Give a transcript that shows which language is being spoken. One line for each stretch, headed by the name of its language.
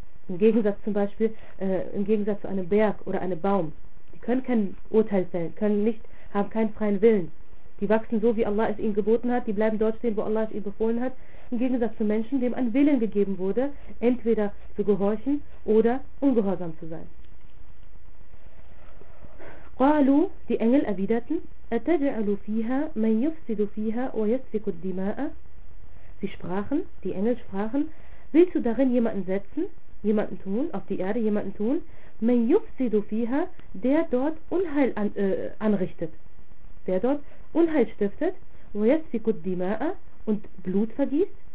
German: Im Gegensatz zum Beispiel, im Gegensatz zu einem Berg oder einem Baum. Die können kein Urteil fällen, haben keinen freien Willen. Die wachsen so, wie Allah es ihnen geboten hat, die bleiben dort stehen, wo Allah es ihnen befohlen hat. Im Gegensatz zu Menschen, dem ein Willen gegeben wurde, entweder zu gehorchen oder ungehorsam zu sein.
Arabic: Qalu,
German: die Engel erwiderten,
Arabic: أَتَجْعَلُ فِيهَا مَنْ يُفْسِدُ فِيهَا وَيَسْفِكُ الدِّمَاءَ.
German: Sie sprachen, die Engel sprachen, willst du darin jemanden setzen, jemanden tun, auf die Erde jemanden tun,
Arabic: مَنْ يُفْسِدُ فِيهَا,
German: der dort Unheil anrichtet, der dort Unheil stiftet,
Arabic: وَيَسْفِكُ الدِّمَاءَ,
German: und Blut vergießt.